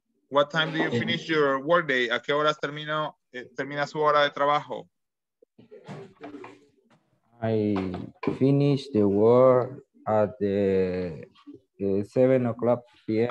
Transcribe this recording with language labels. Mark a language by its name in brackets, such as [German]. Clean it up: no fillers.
[English] What time do you finish your work day? [Spanish] ¿A qué horas termino, termina su hora de trabajo? [English] I finish the work at the 7 o'clock p.m.